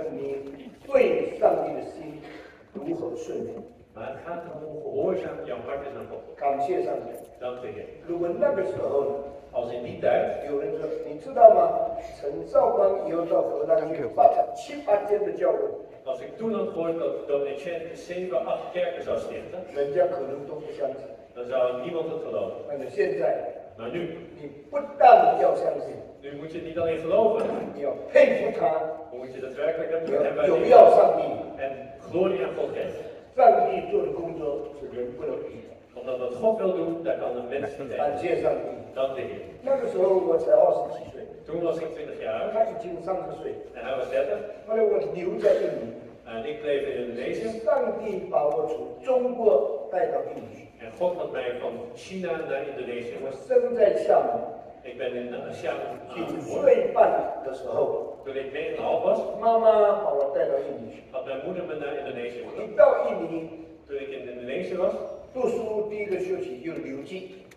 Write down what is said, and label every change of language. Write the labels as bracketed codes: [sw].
[zh] 你对上帝的心如何顺服？啊，他怎么活？我想养花非常好，感谢上帝，感谢。如果那个时候，哦，是你带，有人说，你知道吗？陈少光以后到荷兰去发展七八间的教会。 [nl] Als ik toen had gehoord dat dominee Chen 7, 8 kerken zou stichten, [zh] 人家可能都不相信, [nl] dan zou niemand het geloven. [zh] 但现在, [nl] 但nu, [zh] 你不但要相信, [nl] 你moet je niet alleen geloven, [zh] 你要佩服他, [nl] moet je dat werkelijk hebben, [zh] 你要荣耀上帝, [nl] en glorie aan God geven. [zh] 上帝做的工作是人不能比的, [nl] omdat wat God wil doen, daar kan een mens niet tegen. [zh] 感谢上帝, [nl] dank de Heer. [zh] 那个时候我才20几岁, [nl] toen was ik 20 jaar, [zh] 他已经30岁, [nl] en hij was 30, [zh] 后来我留在印尼, [nl] en ik bleef in Indonesië. [zh] 上帝把我从中国带到印尼, [nl] en God had mij van China naar Indonesië. [zh] 我生在厦门, [nl] ik ben in Xiamen geboren. [zh] 9岁半的时候, [nl] toen ik 9½ was, [zh] 妈妈把我带到印尼去, [nl] had mijn moeder me naar Indonesië gebracht. [zh] 一到印尼, [nl] toen ik in Indonesië was, [zh] 读书第一个学期就留级。